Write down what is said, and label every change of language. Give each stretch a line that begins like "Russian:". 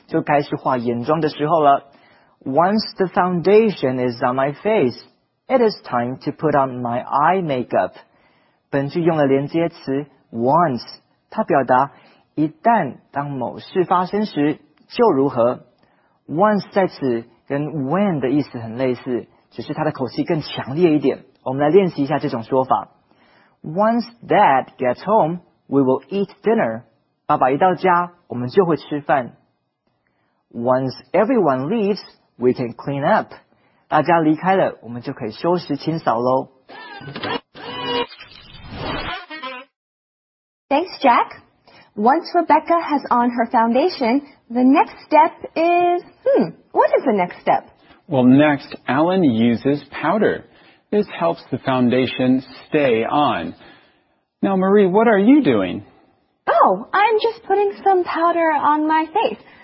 Chinese: 一旦上了粉底,就开始画眼妆的时候了。
English: Once the foundation is on my face, it is time to put on my eye makeup.
Chinese: 本句用了连接词 once, 它表达一旦当某事发生时就如何。 once在此跟 when的意思很类似, 只是它的口气更强烈一点。我们来练习一下这种说法。
English: Once Dad gets home, we will eat dinner.
Chinese: 爸爸一到家, 我们就会吃饭。
English: Once everyone leaves, we can clean up.
Chinese: 大家离开了, 我们就可以收拾清扫咯。Thanks,
English: Jack. Once Rebecca has on her foundation, the next step is... what is the next step? Well, next, Alan uses powder. This helps the foundation stay on. Now, Marie, what are you doing? Oh, I'm just putting some powder on my face.